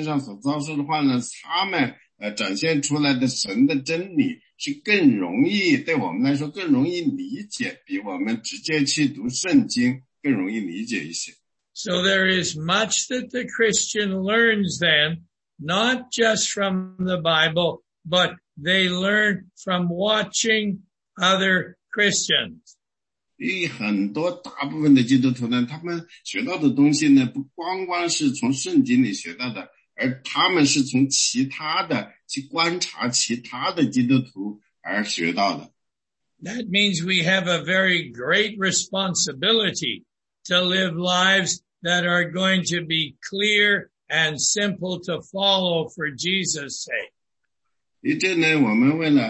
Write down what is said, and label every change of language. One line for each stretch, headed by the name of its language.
Chinese: 有时候呢，我们要去理解主耶稣基督的患难，我们也要看其他的基督徒在他们的人生中所遭受的患难，所以你在他的身上，在那些基督徒身上所遭受的患难，他们。展现出来的神的真理是更容易，对我们来说更容易理解，比我们直接去读圣经更容易理解一些。
English: So there is much that the Christian learns then, not just from the Bible, but they learn from watching other Christians.
Chinese: 因为很多大部分的基督徒呢，他们学到的东西呢，不光光是从圣经里学到的。而他们是从其他的，去观察其他的基督徒而学到的。
English: That means we have a very great responsibility to live lives that are going to be clear and simple to follow for Jesus' sake.